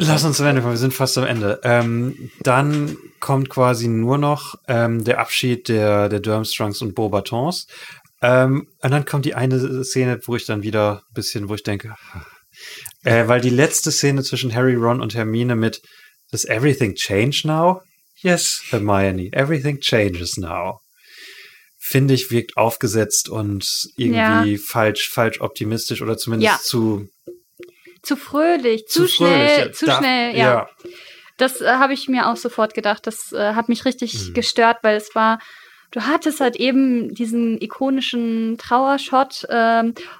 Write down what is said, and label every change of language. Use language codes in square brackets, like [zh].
[de] Lass uns zum Ende kommen, wir sind fast am Ende. Dann kommt quasi nur noch der Abschied der Durmstrangs und Beauxbatons. Und dann kommt die eine Szene, wo ich dann wieder ein bisschen, wo ich denke, weil die letzte Szene zwischen Harry, Ron und Hermine mit [en] Does everything change now? Yes, Hermione, everything changes now. [de] Finde ich, wirkt aufgesetzt und irgendwie falsch optimistisch oder zumindest zu fröhlich, zu schnell. Ja. Das habe ich mir auch sofort gedacht, das hat mich richtig gestört, weil es war, du hattest halt eben diesen ikonischen Trauershot dann